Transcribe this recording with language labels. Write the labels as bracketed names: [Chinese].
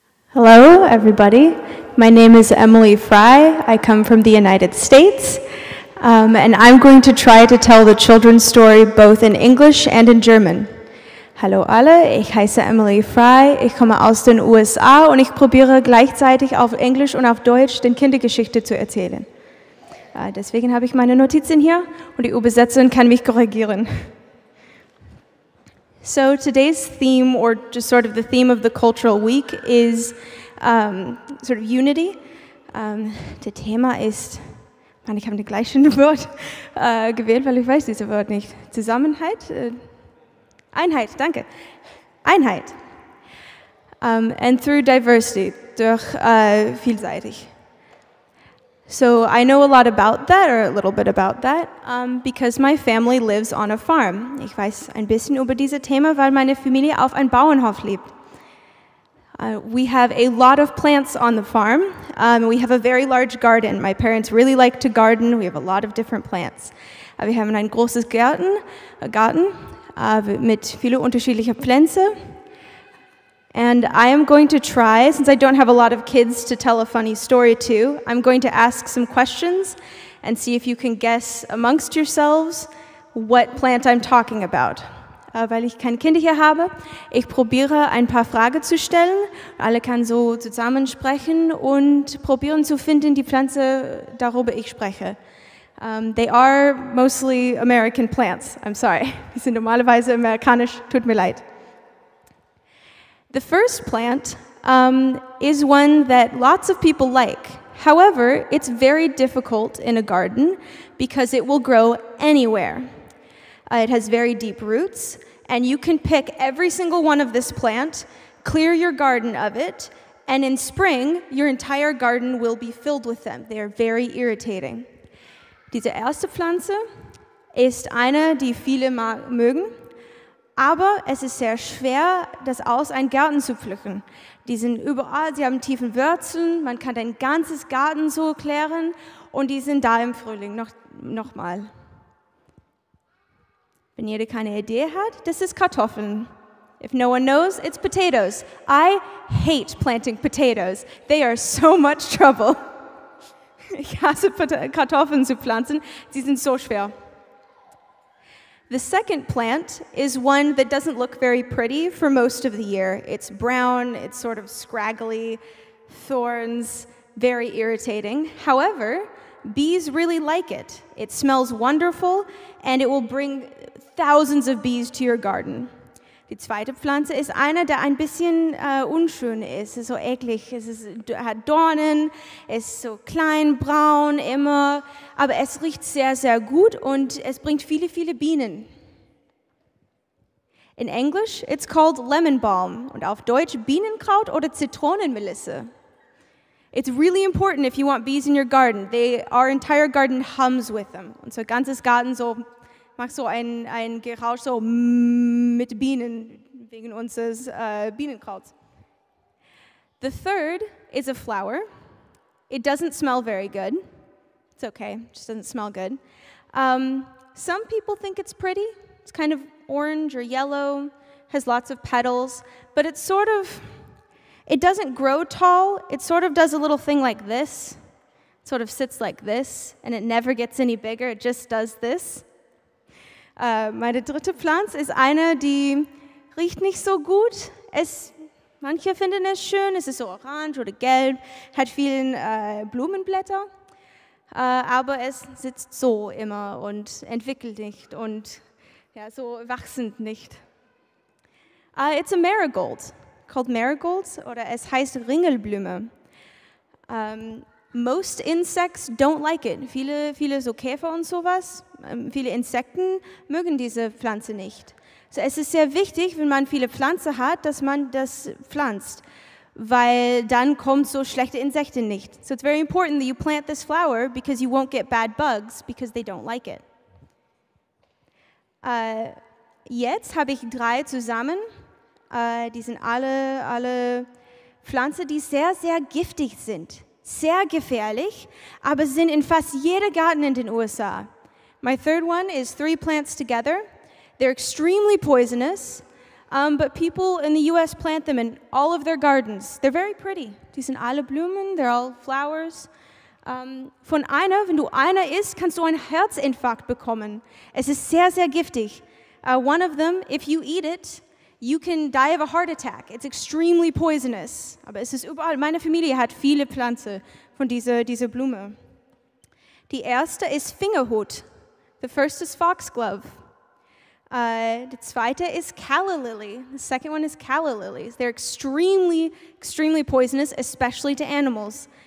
[English] Hello, everybody. My name is Emily Fry. I come from the United States. And I'm going to try to tell the children's story both in English and in German. [German] Hallo alle, ich heiße Emily Fry. Ich komme aus den USA und ich probiere gleichzeitig auf Englisch und auf Deutsch den Kindergeschichte zu erzählen. Deswegen habe ich meine Notizen hier und die Übersetzerin kann mich korrigieren. [English] So today's theme, or just sort of the theme of the cultural week, is sort of unity. [German] Der Thema ist, man, ich habe das gleiche Wort gewählt, weil ich weiß dieses Wort nicht. Zusammenhalt? Einheit, danke. Einheit. [English] And through diversity, [German] durch vielseitig. [English] So I know a lot about that, or a little bit about that, because my family lives on a farm. [German] Ich weiß ein bisschen über dieses Thema, weil meine Familie auf einem Bauernhof lebt. [English] We have a lot of plants on the farm. We have a very large garden. My parents really like to garden. We have a lot of different plants. [German] Wir haben einen großes Garten, mit vielen unterschiedlichen Pflanzen. [English] And I am going to try, since I don't have a lot of kids to tell a funny story to, I'm going to ask some questions and see if you can guess amongst yourselves what plant I'm talking about. [German] Weil ich keine Kinder hier habe, ich probiere ein paar Fragen zu stellen. Alle können so zusammensprechen und probieren zu finden die Pflanze, darüber ich spreche. [English] They are mostly American plants. I'm sorry. [German] Die sind normalerweise amerikanisch. Tut mir leid. [English] The first plant is one that lots of people like. However, it's very difficult in a garden because it will grow anywhere. It has very deep roots, and you can pick every single one of this plant, clear your garden of it, and in spring, your entire garden will be filled with them. They are very irritating. [German] Diese erste Pflanze ist eine, die viele mögen, aber es ist sehr schwer, das aus einem Garten zu pflücken. Die sind überall, sie haben tiefen Wurzeln, man kann ein ganzes Garten so klären und die sind da im Frühling. Nochmal. Wenn jeder keine Idee hat, das ist Kartoffeln. [English] If no one knows, it's potatoes. I hate planting potatoes. They are so much trouble. [German] Ich hasse Kartoffeln zu pflanzen. Sie sind so schwer. [English] The second plant is one that doesn't look very pretty for most of the year. It's brown, it's sort of scraggly, thorns, very irritating. However, bees really like it. It smells wonderful, and it will bring thousands of bees to your garden. [German] Die zweite Pflanze ist eine, der ein bisschen unschön ist, so eklig. Es ist, hat Dornen, ist so klein, braun immer, aber es riecht sehr, sehr gut und es bringt viele, viele Bienen. In Englisch, [English] it's called lemon balm [German] und auf Deutsch Bienenkraut oder Zitronenmelisse. [English] It's really important if you want bees in your garden. Our entire garden hums with them. [German] Unser ganzes Garten so macht so ein Geräusch so mit Bienen wegen unseres Bienenkrauts. [English] The third is a flower. It doesn't smell very good. It's okay, it just doesn't smell good. Some people think it's pretty. It's kind of orange or yellow, has lots of petals, but it's sort of, it doesn't grow tall. It sort of does a little thing like this. It sort of sits like this, and it never gets any bigger. It just does this. [German] Meine dritte Pflanze ist eine, die riecht nicht so gut. Manche finden es schön, es ist so orange oder gelb, hat viele Blumenblätter, aber es sitzt so immer und entwickelt nicht und ja, so wachsend nicht. [English] It's a marigold, called marigolds, [German] oder es heißt Ringelblume. [English] Most insects don't like it. [German] Viele, viele so Käfer und sowas, viele Insekten mögen diese Pflanze nicht. So es ist sehr wichtig, wenn man viele Pflanzen hat, dass man das pflanzt, weil dann kommen so schlechte Insekten nicht. [English] So it's very important that you plant this flower because you won't get bad bugs because they don't like it. [German] Jetzt habe ich drei zusammen. Die sind alle Pflanzen, die sehr, sehr giftig sind. Sehr gefährlich, aber sind in fast jeder Garten in den USA. [English] My third one is three plants together. They're extremely poisonous, but people in the US plant them in all of their gardens. They're very pretty. [German] Die sind alle Blumen, [English] they're all flowers. [German] Von einer, wenn du einer isst, kannst du einen Herzinfarkt bekommen. Es ist sehr, sehr giftig. [English] One of them, if you eat it, you can die of a heart attack. It's extremely poisonous. [German] Aber es ist überall. Meine Familie hat viele Pflanzen von dieser Blume. Die erste ist Fingerhut. [English] The first is foxglove. [German] Die zweite ist [English] calla lily. The second one is calla lilies. They're extremely, extremely poisonous, especially to animals.